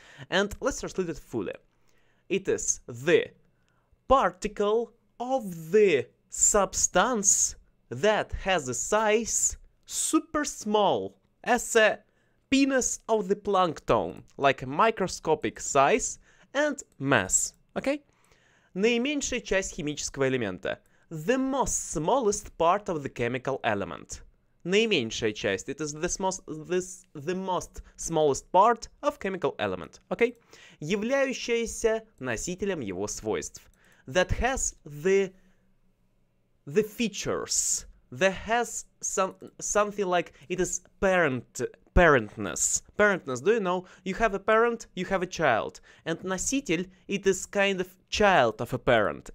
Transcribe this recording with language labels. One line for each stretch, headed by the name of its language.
English: And let's translate it fully. It is the particle of the substance that has a size super small, as a penis of the plankton, like a microscopic size, and mass, okay?
Russian: Наименьшая часть химического элемента.
English: The most smallest part of the chemical element.
Russian: Наименьшая часть.
English: It is the most smallest part of chemical element, okay?
Russian: Являющаяся носителем его свойств.
English: That has the features, that has something like, it is parentness. Parentness, do you know? You have a parent, you have a child. And носитель, it is kind of child of a parent.